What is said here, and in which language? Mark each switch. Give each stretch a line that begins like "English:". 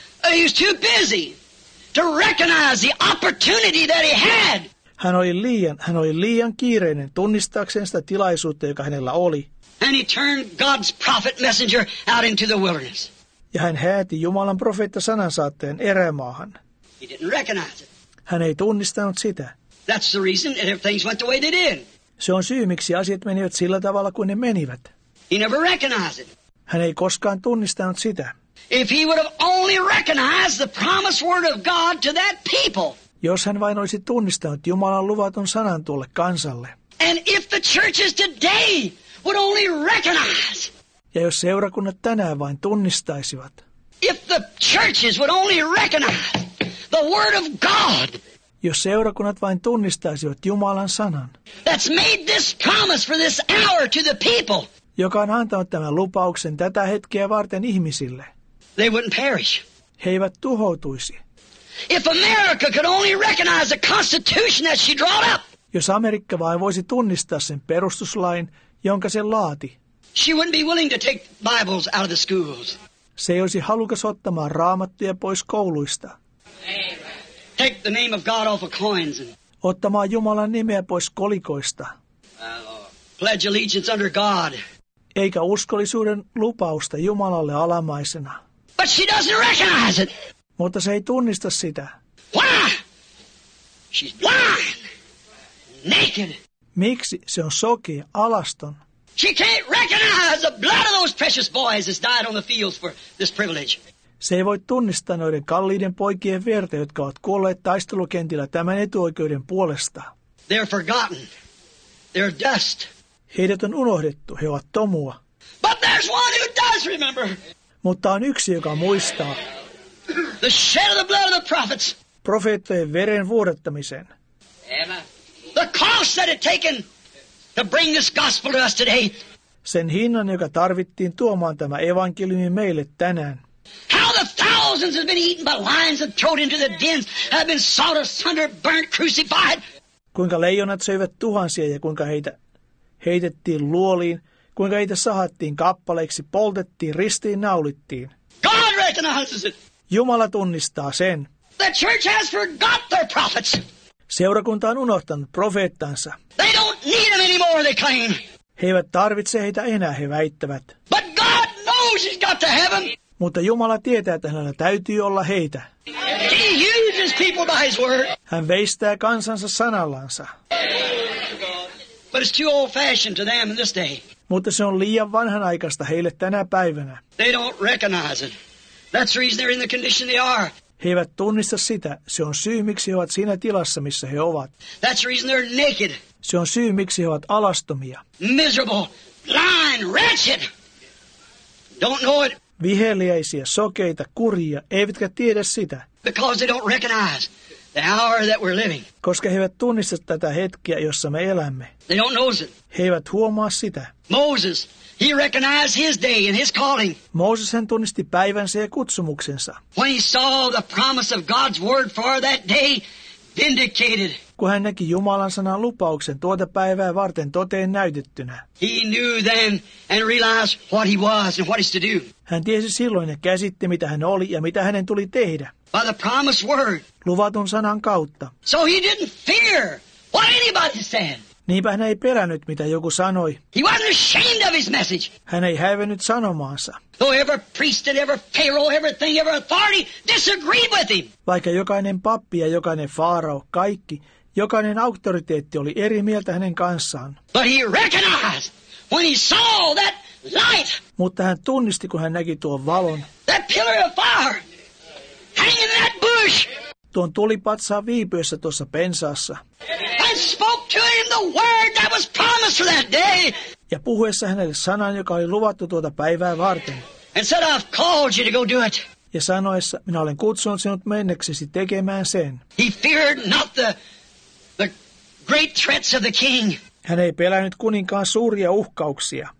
English: He was too busy to recognize the opportunity that he had.
Finnish: Hän oli liian kiireinen tunnistaakseen sitä tilaisuutta, joka hänellä oli.
English: And he turned God's prophet messenger out into the wilderness.
Finnish: Ja hän hääti Jumalan profeetta sanansaatteen erämaahan.
English: He didn't recognize it.
Finnish: Hän ei tunnistanut sitä.
English: That's the reason that things went the way they did.
Finnish: Se on syy, miksi asiat menivät sillä tavalla kuin ne menivät.
English: He never recognized it.
Finnish: Hän ei koskaan tunnistanut sitä.
English: If he would have only recognized the promised word of God to that people.
Finnish: Jos hän vain olisi tunnistanut Jumalan luvaton sanan tuolle kansalle.
English: And if the churches today would only recognize.
Finnish: Ja jos seurakunnat tänään vain tunnistaisivat.
English: If the churches would only recognize the word of God.
Finnish: Jos seurakunnat vain tunnistaisivat Jumalan sanan.
English: That's made this promise for this hour to the people.
Finnish: Joka on antanut tämän lupauksen tätä hetkeä varten ihmisille.
English: They wouldn't perish.
Finnish: He eivät tuhoutuisi.
English: If America could only recognize the constitution that she drawn up.
Finnish: Jos Amerikka vain voisi tunnistaa sen perustuslain, jonka se laati.
English: She wouldn't be willing to take Bibles out of the schools.
Finnish: Se ei olisi halukas ottamaan raamattuja pois kouluista.
English: Amen. Take the name of God off of coins and
Finnish: ottamaan Jumalan nimeä pois kolikoista.
English: Pledge allegiance under God.
Finnish: eikä uskollisuuden lupausta Jumalalle alamaisena.
English: But she doesn't recognize it.
Finnish: Mutta se ei tunnista sitä.
English: Why? She's blind. Naked.
Finnish: Miksi se on sokea, alaston?
English: She can't recognize the blood of those precious boys that died on the fields for this privilege.
Finnish: Se ei voi tunnistaa noiden kalliiden poikien verta, jotka ovat kuolleet taistelukentillä tämän etuoikeuden puolesta.
English: They're forgotten. They're dust.
Finnish: Heidät on unohdettu, he ovat tomua.
English: But there's one who does remember.
Finnish: Mutta on yksi, joka muistaa.
English: The shed of the blood of the prophets.
Finnish: Profeettojen veren vuodattamisen. Emma.
English: The cost that it taken to bring this gospel to us today.
Finnish: Sen hinnan, joka tarvittiin tuomaan tämä evankeliumi meille tänään.
English: How the thousands have been eaten by lions and thrown into the dens, have been sawed asunder, burnt, crucified.
Finnish: Kuinka leijonat söivät tuhansia ja kuinka heitä heitettiin luoliin, kuinka heitä sahattiin kappaleiksi, poltettiin, ristiin, naulittiin.
English: God recognizes it.
Finnish: Jumala tunnistaa sen.
English: The church has forgot their prophets.
Finnish: Seurakunta on unohtanut profeettansa.
English: They don't need them anymore, they claim.
Finnish: He eivät tarvitse heitä enää, he väittävät.
English: But God knows he's got to heaven.
Finnish: Mutta Jumala tietää, että hänellä täytyy olla heitä.
English: He uses people by his word.
Finnish: Hän veistää kansansa sanallansa.
English: But it's too old-fashioned to them in this day.
Finnish: Mutta se on liian vanhanaikaista heille tänä päivänä.
English: They don't recognize it. That's the reason they're in the condition they are.
Finnish: He eivät tunnista sitä. Se on syy, miksi he ovat siinä tilassa, missä he ovat.
English: That's the reason they're naked.
Finnish: Se on syy, miksi he ovat alastomia.
English: Miserable, blind, wretched. Don't know it.
Finnish: Viheliäisiä, sokeita, kurjia, eivätkä tiedä sitä.
English: Because they don't recognize the hour that we're living.
Finnish: Koska he eivät tunnista tätä hetkiä, jossa me elämme.
English: They don't know it.
Finnish: He eivät huomaa sitä.
English: Moses, he recognized his day and his calling.
Finnish: Mooses hän tunnisti päivänsä ja kutsumuksensa.
English: When he saw the promise of God's word for that day vindicated.
Finnish: Kun hän näki Jumalan sanan lupauksen tuota päivää varten toteen näytettynä.
English: He knew then and realized what he was and what he's to do.
Finnish: Hän tiesi silloin ja käsitti, mitä hän oli ja mitä hänen tuli tehdä.
English: By the promised word.
Finnish: Luvatun sanan kautta.
English: So he didn't fear what anybody said.
Finnish: Niinpä hän ei pelännyt, mitä joku sanoi.
English: He wasn't ashamed of his message.
Finnish: Hän ei hävennyt sanomaansa.
English: Though every priest and every pharaoh, everything, every authority disagreed with him.
Finnish: Vaikka jokainen pappi ja jokainen farao, kaikki, jokainen auktoriteetti oli eri mieltä hänen kanssaan.
English: But he recognized when he saw that light.
Finnish: Mutta hän tunnisti, kun hän näki tuon valon.
English: That pillar of fire hanging in that bush.
Finnish: Tuon tulipatsaan viipyessä tuossa pensaassa.
English: And spoke to him the word that was promised for that day.
Finnish: Ja puhuessa hänelle sanan, joka oli luvattu tuota päivää varten.
English: And said, I've called you to go do it.
Finnish: Ja sanoessa, minä olen kutsunut sinut menneksesi tekemään sen.
English: He feared not the great threats of the king.
Finnish: Hän ei pelännyt kuninkaan suuria uhkauksia.